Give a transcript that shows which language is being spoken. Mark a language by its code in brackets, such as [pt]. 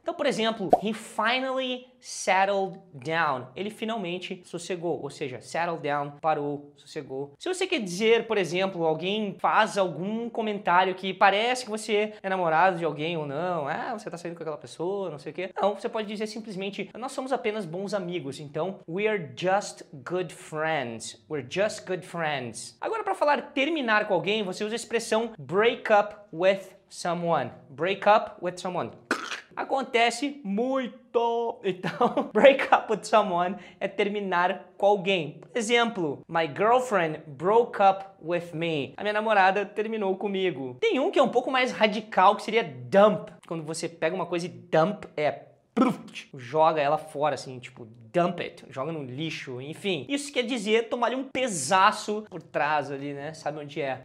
[pt] Então, por exemplo, [en] he finally settled down. [pt] Ele finalmente sossegou, ou seja, settle down, parou, sossegou. Se você quer dizer, por exemplo, alguém faz algum comentário que parece que você é namorado de alguém ou não, você tá saindo com aquela pessoa, não sei o quê. Não, você pode dizer simplesmente, nós somos apenas bons amigos. [en] Então, we are just good friends. We're just good friends. [pt] Agora, pra falar terminar com alguém, você usa a expressão break up with someone. Break up with someone. Acontece muito. Então, break up with someone é terminar com alguém. Por exemplo, [en] my girlfriend broke up with me. [pt] A minha namorada terminou comigo. Tem um que é um pouco mais radical, que seria dump. Quando você pega uma coisa e dump é... joga ela fora, assim, tipo, dump it, joga no lixo, enfim. Isso quer dizer tomar um pesaço por trás ali, né? Sabe onde é.